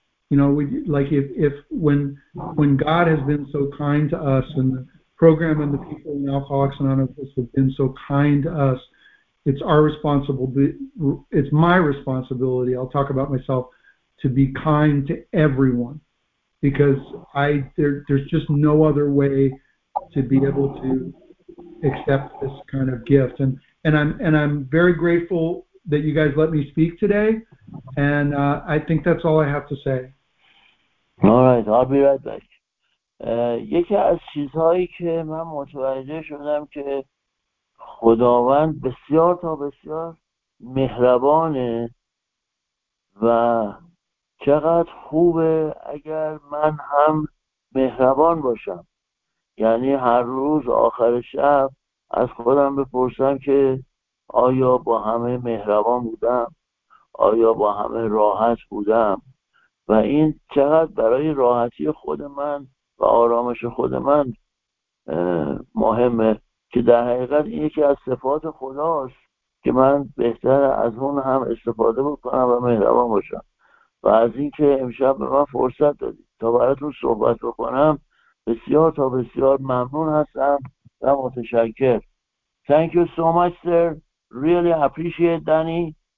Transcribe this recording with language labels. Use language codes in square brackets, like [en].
[en] You know, when God has been so kind to us and the program and the people in Alcoholics Anonymous have been so kind to us, it's my responsibility, I'll talk about myself, to be kind to everyone, because there's just no other way to be able to accept this kind of gift. And I'm very grateful that you guys let me speak today, and I think that's all I have to say. Alright, I'll be right back. [fa] یکی از چیزهایی که من متوجه شدم که خداوند بسیار تا بسیار مهربانه و چقدر خوبه اگر من هم مهربان باشم. یعنی هر روز آخر شب از خودم بپرسم که آیا با همه مهربان بودم؟ آیا با همه راحت بودم؟ و این چقدر برای راحتی خود من و آرامش خود من مهمه، که در حقیقت این یکی از صفات خداست که من بهتر از اون هم استفاده بکنم و مهربان باشم. و از این که امشب به من فرصت دادید تا براتون صحبت بکنم بسیار تا بسیار ممنون هستم و متشکر. [en] Thank you so much sir, really appreciate Danny.